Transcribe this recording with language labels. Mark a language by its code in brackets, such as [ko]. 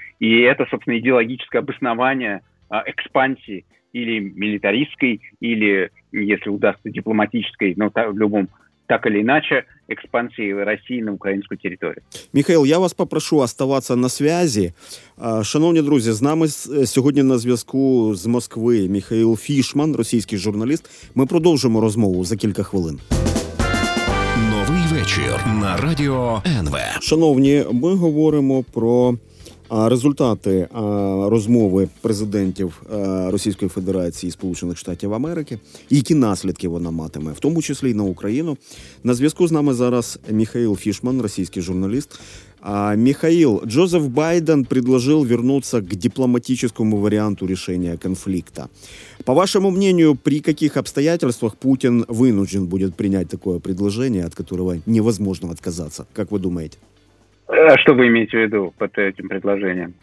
[ru] И это, собственно, идеологическое обоснование экспансии или милитаристской, или, если удастся, дипломатической, но в любом так или иначе, экспансии России на украинскую территорию. Михаил, я вас попрошу оставаться на связи. [uk] Шановні друзі, з нами сьогодні на зв'язку з Москви Михаил Фішман, російський журналіст. Ми продовжимо розмову за кілька хвилин. Новий вечір на радіо НВ. Шановні, ми говоримо про результати розмови президентів Російської Федерації і Сполучених Штатів Америки, які наслідки вона матиме, в тому числі й на Україну. На зв'язку з нами зараз Михаил Фішман, російський журналіст. [ru] Михаил, Джозеф Байден предложил вернуться к дипломатическому варианту решения конфликта. По вашему мнению, при каких обстоятельствах Путин вынужден будет принять такое предложение, от которого невозможно отказаться? Как вы думаете? Что вы имеете в виду под этим предложением?